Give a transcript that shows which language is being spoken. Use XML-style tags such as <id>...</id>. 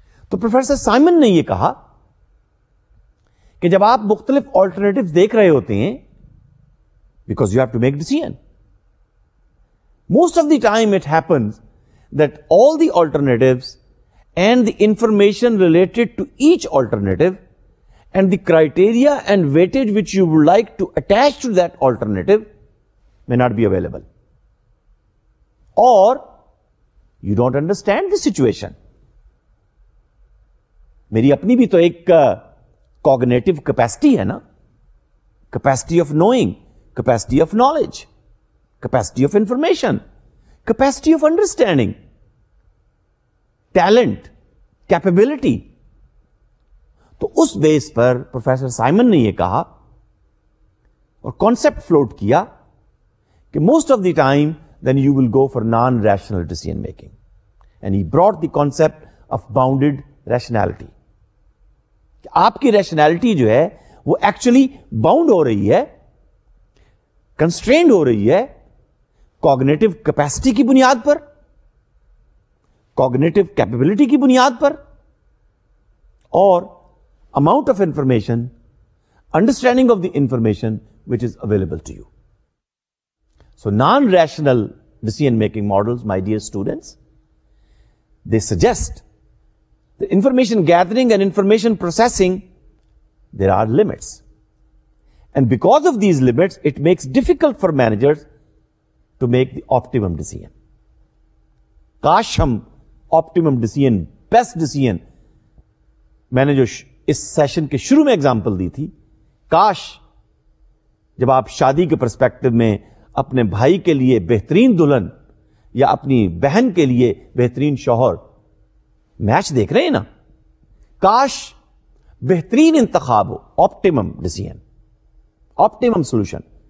<ur>تو professor Simon نے یہ کہا کہ جب آپ مختلف آلٹرنیٹو دیکھ رہے ہوتے ہیں,</ur> <en>Because you have to make decision, most of the time it happens that all the alternative and the information related to each alternative and the criteria and weightage which you would like to attach to that alternative may not be available, or you don't understand the situation.</en> <ur>Meri apni bhi to ek</ur> <en>cognitive capacity hai na, capacity of knowing, capacity of knowledge, capacity of information, capacity of understanding, talent, capability.</en> <ur>تو اس بیس پر professor Simon نے یہ کہا اور concept float کیا کہ</ur> <en>most of the time then you will go for non rational decision making, and he brought the concept of bounded rationality,</en> <ur>کہ آپ کی ریشنلٹی جو ہے وہ ایکچولی باؤنڈ ہو رہی ہے, کنسٹرینڈ ہو رہی ہے کوگنیٹو کیپیسٹی کی بنیاد پر, کوگنیٹو کیپیبلٹی کی بنیاد پر, اور</ur> <en>amount of information, understanding of the information which is available to you. So non-rational decision making models, my dear students, they suggest the information gathering and information processing, there are limits, and because of these limits it makes difficult for managers to make the optimum decision.</en> <ur>Kaash hum optimum decision, best decision managers اس session کے شروع میں example دی تھی, کاش جب آپ شادی کے perspective میں اپنے بھائی کے لیے بہترین دلہن یا اپنی بہن کے لیے بہترین شوہر میچ دیکھ رہے ہیں نا, کاش بہترین انتخاب ہو, آپٹیمم ڈیسیژن, آپٹیمم سولوشن,</ur>